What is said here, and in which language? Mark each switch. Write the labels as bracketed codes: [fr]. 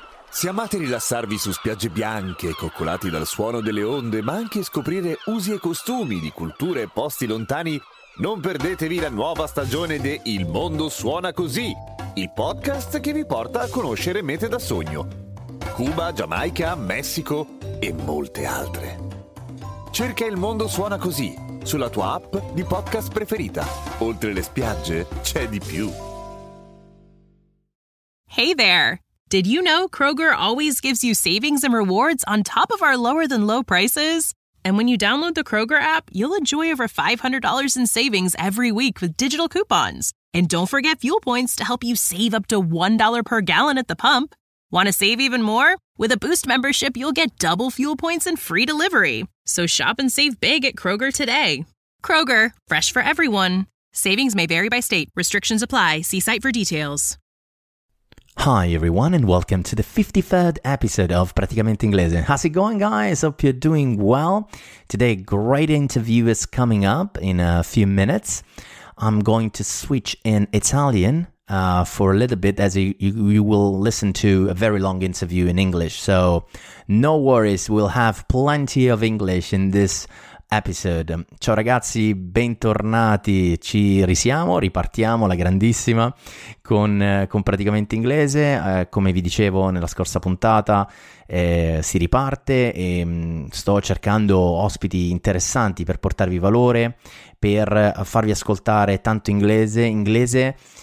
[it] Se amate rilassarvi su spiagge bianche, coccolati dal suono delle onde, ma anche scoprire usi e costumi di culture e posti lontani, non perdetevi la nuova stagione di Il Mondo Suona Così, il podcast che vi porta a conoscere mete da sogno. Cuba, Giamaica, Messico e molte altre. Cerca Il Mondo Suona Così sulla tua app di podcast preferita. Oltre le spiagge, c'è di più. [en] Hey there! Did you know Kroger always gives you savings and rewards on top of our lower than low prices? And when you download the Kroger app, you'll enjoy over $500 in savings every week with digital coupons. And don't forget fuel points to help you save up to $1 per gallon at the pump. Want to save even more? With a Boost membership, you'll get double fuel points and free delivery. So shop and save big at Kroger today. Kroger, fresh for everyone. Savings may vary by state. Restrictions apply. See site for details. Hi everyone and welcome to the 53rd episode of Praticamente Inglese. How's it going, guys? Hope you're doing well. Today, great interview is coming up in a few minutes. I'm going to switch in Italian for a little bit as you will listen to a very long interview in English. So no worries, we'll have plenty of English in this episode. [it] Ciao ragazzi, bentornati, ci risiamo, ripartiamo la grandissima con Praticamente Inglese. Come vi dicevo nella scorsa puntata, si riparte e sto cercando ospiti interessanti per portarvi valore, per farvi ascoltare tanto inglese.